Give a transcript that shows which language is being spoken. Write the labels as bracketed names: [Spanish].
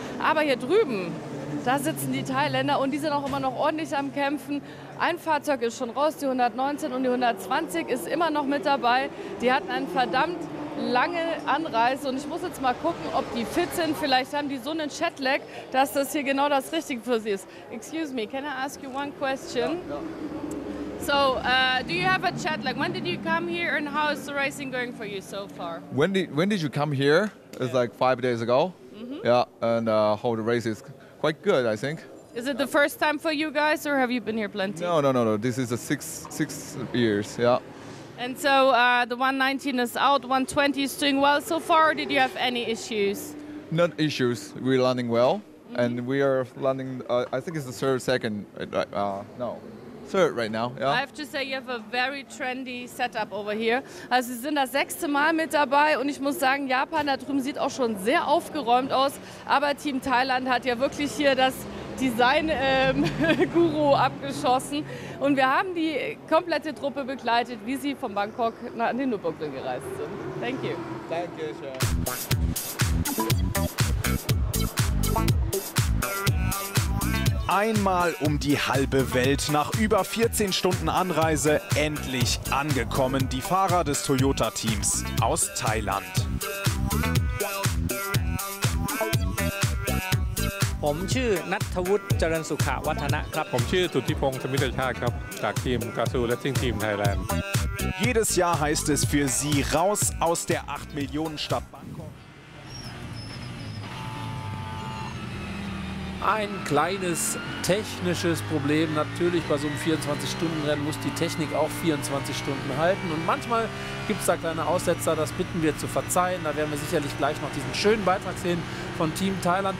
[German] Aber hier drüben, da sitzen die Thailänder und die sind auch immer noch ordentlich am Kämpfen. Ein Fahrzeug ist schon raus, die 119 und die 120 ist immer noch mit dabei. Die hatten einen verdammt lange Anreise und ich muss jetzt mal gucken, ob die fit sind. Vielleicht haben die so einen Jetlag, dass das hier genau das Richtige für sie ist. [English] Excuse me, can I ask you one question? So, do you have a jetlag? When did you come here and how is the racing going for you so far? When did you come here? It's like 5 days ago. Mm-hmm. Yeah, and how the race is quite good, I think. Is it the first time for you guys or have you been here plenty? No. This is a six years, yeah. And so the 119 is out, 120 is doing well so far, or did you have any issues? Not issues, we're landing well, mm-hmm. And we are landing, I think it's the third right now. Yeah. I have to say, you have a very trendy setup over here. [German] Also Sie sind das sechste Mal mit dabei und ich muss sagen, Japan da drüben sieht auch schon sehr aufgeräumt aus, aber Team Thailand hat ja wirklich hier das Design-Guru abgeschossen. Und wir haben die komplette Truppe begleitet, wie sie von Bangkok nach den Nürburgring gereist sind. [English] Thank you. [German] Danke schön. Einmal um die halbe Welt, nach über 14 Stunden Anreise, endlich angekommen, die Fahrer des Toyota-Teams aus Thailand. [Thai] ผมชื่อณัฐวุฒิเจริญสุขวัฒนะครับ ผมชื่อสุทธิพงษ์ธมิตรชาติครับจากทีมกาซูและทีมไทยแลนด์ [German] Jedes Jahr heißt es für sie raus aus der 8 Millionen Stadt Bangkok. Ein kleines technisches Problem natürlich bei so einem 24-Stunden-Rennen muss die Technik auch 24 Stunden halten und manchmal gibt es da kleine Aussetzer, das bitten wir zu verzeihen. Da werden wir sicherlich gleich noch diesen schönen Beitrag sehen von Team Thailand.